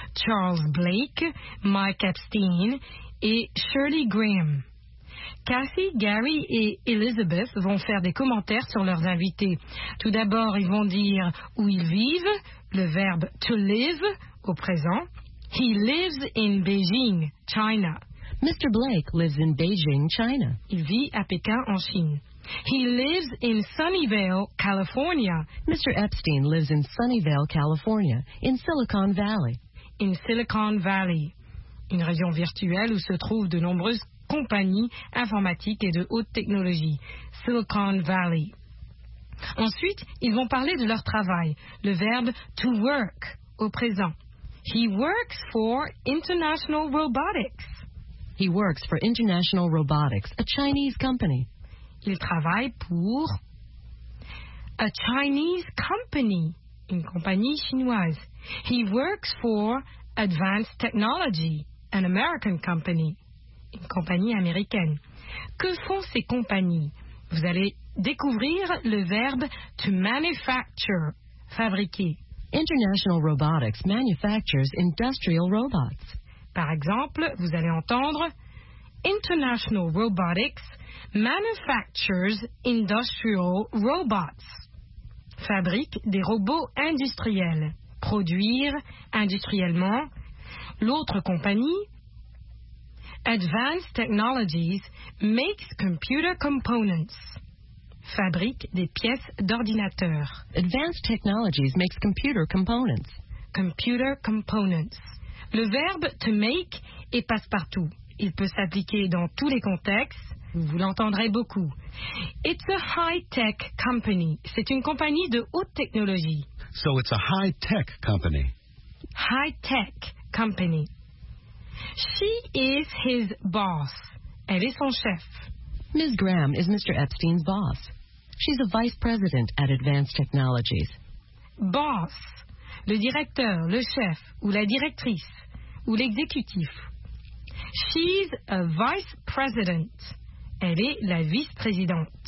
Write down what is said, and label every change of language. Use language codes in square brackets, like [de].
[fr] Charles Blake, Mike Epstein et Shirley Graham. Cathy, Gary et Elizabeth vont faire des commentaires sur leurs invités. Tout d'abord, ils vont dire où ils vivent, le verbe to live au présent. [en] He lives in Beijing, China. Mr. Blake lives in Beijing, China. [fr] Il vit à Pékin, en Chine. [en] He lives in Sunnyvale, California. Mr. Epstein lives in Sunnyvale, California, in Silicon Valley. [fr] In Silicon Valley, une région virtuelle où se trouvent de nombreuses compagnies informatiques et de haute technologie. Silicon Valley. Ensuite, ils vont parler de leur travail. Le verbe to work au présent. [en] He works for International Robotics. He works for International Robotics, a Chinese company. [fr] Il travaille pour [en] a Chinese company, [fr] une compagnie chinoise. [en] He works for Advanced Technology, an American company, [fr] une compagnie américaine. Que font ces compagnies? Vous allez découvrir le verbe to manufacture, fabriquer. [en] International Robotics manufactures industrial robots. [fr] Par exemple, vous allez entendre [en] International Robotics manufactures industrial robots. [fr] Fabrique des robots industriels. Produire industriellement. L'autre compagnie, [en] Advanced Technologies makes computer components. [fr] Fabrique des pièces d'ordinateur. [en] Advanced Technologies makes computer components. Computer components. [fr] Le verbe to make est passe-partout. Il peut s'appliquer dans tous les contextes. Vous l'entendrez beaucoup. [en] It's a high-tech company. [fr] C'est une compagnie de haute technologie. [en] So it's a high-tech company. High-tech company. She is his boss. [fr] Elle est son chef. [en] Ms. Graham is Mr. Epstein's boss. She's a vice president at Advanced Technologies. Boss. [fr] Le directeur, le chef, ou la directrice, ou l'exécutif. [en] She's a vice president. [fr] Elle est la vice-présidente.